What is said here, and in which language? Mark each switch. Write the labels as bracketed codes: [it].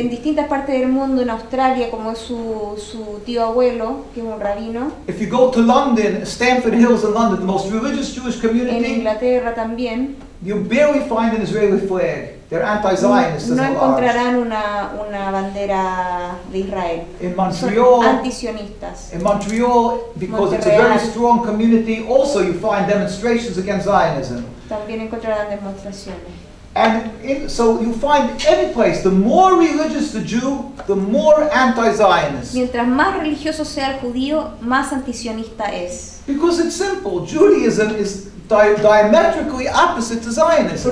[es] En distintas partes del mundo, en Australia, como es su tío abuelo, que es un rabino. [en] If you go to London, Stamford Hills in London, the most religious Jewish community. [es] En Inglaterra también. [en] You barely find an Israeli flag. They're anti-Zionist. [es] No encontrarán una bandera de Israel. [en] In Montreal. [es] Antisionistas. [en] In Montreal, because Montreal. It's a very strong community, also you find demonstrations against Zionism. [es] También encontrarán demostraciones. [en] And so you find any place, the more religious the Jew, the more anti-Zionist. [es] Mientras más religioso sea el judío, más antisionista es. [en] Because it's simple, Judaism is diametrically opposite to Zionism.